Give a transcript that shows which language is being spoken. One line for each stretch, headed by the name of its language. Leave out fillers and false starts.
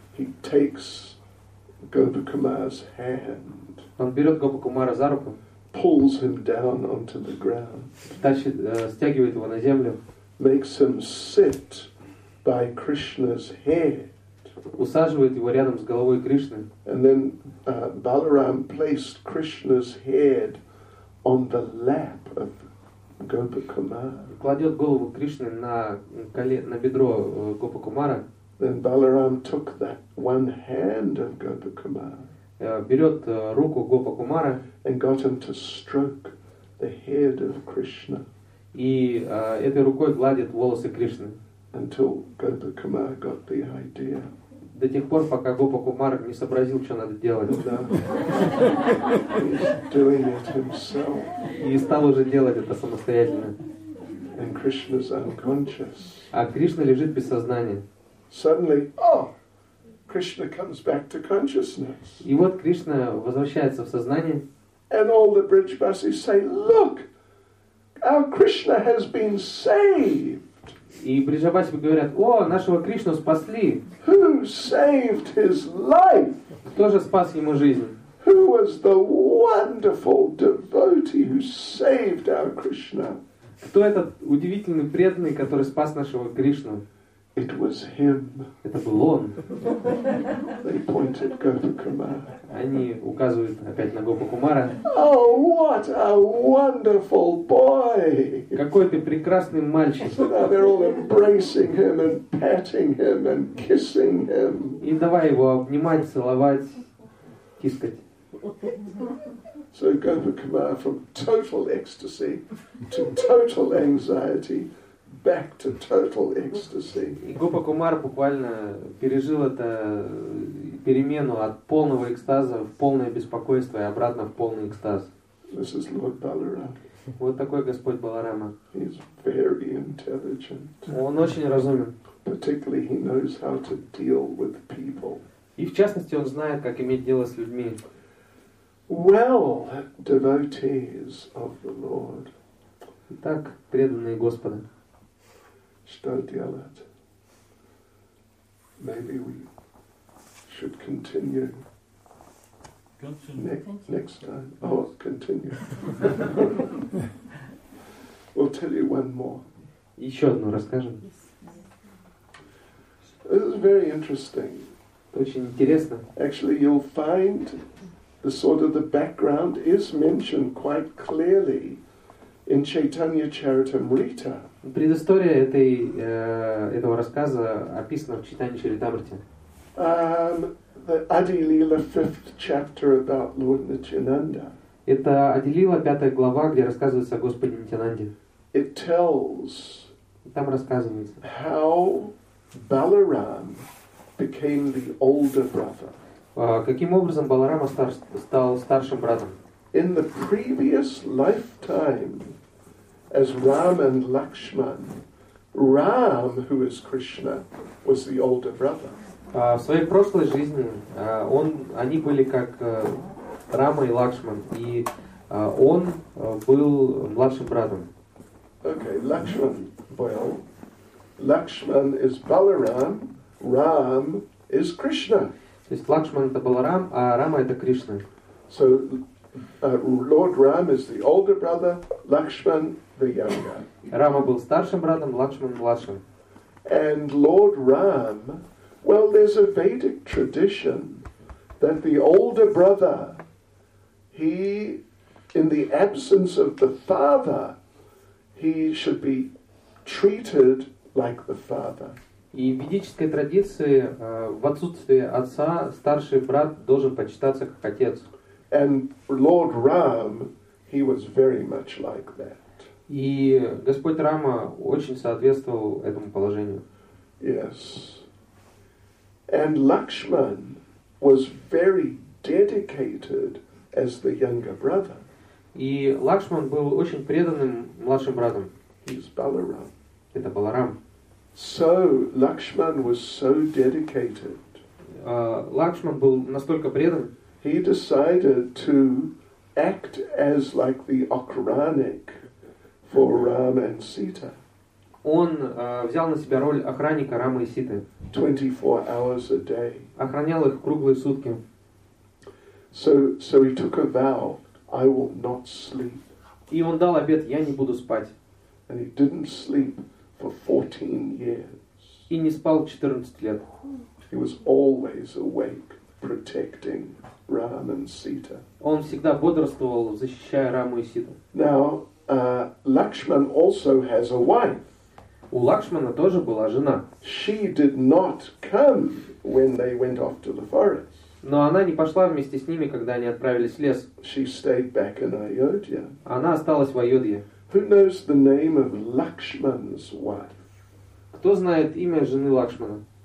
English: He takes Gopakumar's hand.
Russian: Он берет Гопакумара за руку.
English: Pulls him down onto the ground.
Russian: Тащит, стягивает его на землю.
English: Makes him sit by Krishna's head.
Russian: Усаживает его рядом с головой Кришны.
English: And then Balaram placed Krishna's head on the lap of Gopakumar.
Russian: Кладет голову Кришны на бедро Гопакумара.
English: Then Balaram took that one hand of Gopakumar.
Russian: Берет руку Гопакумара
English: and got him to stroke the head of Krishna.
Russian: И этой рукой гладит волосы Кришны.
English: Until Gopakumar got the idea.
Russian: До тех пор, пока Гопакумар не сообразил, что надо делать.
English: He's doing it himself.
Russian: И стал уже делать это самостоятельно.
English: And Krishna's unconscious.
Russian: А Кришна лежит без сознания.
English: Suddenly, oh! Krishna comes back to consciousness.
Russian: И вот Кришна возвращается в сознание.
English: And all the Brijbasis say, look, our Krishna has been saved.
Russian: И Бриджабаси говорят, о, нашего Кришну спасли.
English: Who saved his life?
Russian: Кто же спас ему жизнь?
English: Who was the wonderful devotee who saved our Krishna?
Russian: Кто этот удивительный преданный, который спас нашего Кришну?
English: It was him.
Russian: Это был он.
English: They pointed Gopakumar.
Russian: Они указывают опять на Гопакумара.
English: Oh, what a wonderful boy!
Russian: Какой ты прекрасный мальчик!
English: So now they're all embracing him and patting him and kissing him.
Russian: И давай его обнимать, целовать, тискать.
English: So Gopakumar from total ecstasy to total anxiety. Back to total ecstasy.
Russian: И Гопакумар буквально пережил это перемену от полного экстаза в полное беспокойство и обратно в полный экстаз.
English: This is Lord Balaram.
Russian: Вот такой Господь Баларама.
English: He's very intelligent.
Russian: Он очень разумен.
English: Particularly he knows how to deal with people.
Russian: И в частности, он знает, как иметь дело с людьми.
English: Well, devotees of the Lord.
Russian: Итак, преданные Господа. Что делать?
English: Maybe we should continue. Next time. Oh, continue. We'll tell you one more.
Russian: Еще одну расскажем.
English: This is very interesting.
Russian: Очень интересно.
English: Actually, you'll find the sort of the background is mentioned quite clearly in Chaitanya Charitamrita.
Russian: Предыстория этой этого рассказа описана в Чайтанья Чаритамрите.
English: The Adi Lila 5th chapter about Lord Nityananda.
Russian: Это Adi Lila 5 глава, где рассказывается о Господе Нитянанде.
English: It tells.
Russian: Там рассказывается.
English: How Balaram became the older brother.
Russian: Каким образом Баларама стал старшим братом?
English: In the previous lifetime, as Ram and Lakshman, Ram, who is Krishna, was the older brother.
Russian: В своей прошлой жизни они были как Рама и Лакшман, и он был младшим братом.
English: Okay, Lakshman. Well, Lakshman is Balaram, Ram is Krishna.
Russian: То есть Лакшман это Баларам, а Рама это Кришна.
English: So Lord Ram is the older brother, Lakshman the younger.
Russian: Рама был старшим братом, Лакшман младшим.
English: And Lord Ram, well, there's a Vedic tradition that the older brother, he, in the absence of the father, he should be treated like the father.
Russian: И в ведической традиции, в отсутствие отца, старший брат должен почитаться как отец.
English: And Lord Ram, he was very much like that.
Russian: И Господь Рама очень соответствовал этому положению.
English: Yes. And Lakshman was very dedicated as the younger brother.
Russian: И Лакшман был очень преданным младшим братом.
English: He's Balaram.
Russian: Это Баларам.
English: So Lakshman was so dedicated.
Russian: Лакшман был настолько предан.
English: He decided to act as like the
Russian: охранник
English: for Rama and Sita.
Russian: Он взял на себя роль охранника Рамы и Ситы.
English: 24 hours a day.
Russian: Охранял их круглые сутки.
English: So he took a vow, I will not sleep.
Russian: И он дал обет, я не буду спать.
English: And he didn't sleep for 14 years.
Russian: И не спал 14 лет.
English: He was always awake, protecting Rama and Sita.
Russian: Он всегда бодрствовал, защищая Раму и Ситу.
English: Now, Lakshman also has a wife.
Russian: У Лакшмана тоже была жена.
English: She did not come when they went off to the forest.
Russian: Но она не пошла вместе с ними, когда они отправились в лес.
English: She stayed back in Ayodhya.
Russian: Она осталась в Айодхе.
English: Who knows the name of Lakshman's wife?
Russian: Кто знает имя жены Лакшмана?